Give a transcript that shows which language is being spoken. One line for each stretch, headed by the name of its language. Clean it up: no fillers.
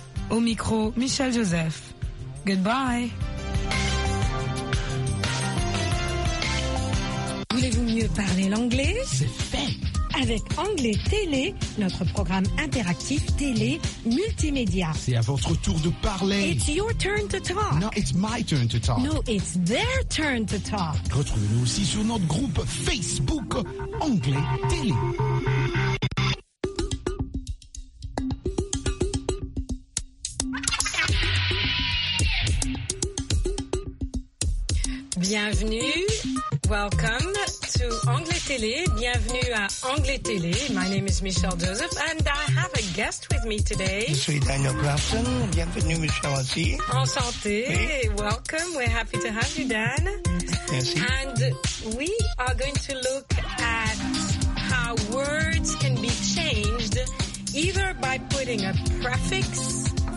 French: Au micro, Michel Joseph.
English: Goodbye.
French: Voulez-vous mieux parler l'anglais? C'est fait! Avec Anglais Télé, notre programme interactif télé multimédia. C'est à votre tour de parler.
English: It's your turn to talk. No, it's my turn to talk. No, it's their turn to talk.
French: Retrouvez-nous aussi sur notre groupe Facebook Anglais Télé. Bienvenue.
English: Welcome to Anglais Télé.
French: Bienvenue à Anglais Télé.
English: My name is Michelle Joseph and I have a guest with me today.
French: Je suis Daniel Grafton. Bienvenue, Michelle, aussi. Enchanté. Oui.
English: Welcome. We're happy to have you, Dan.
French: Merci.
English: And we are going to look at how words can be changed either by putting a prefix.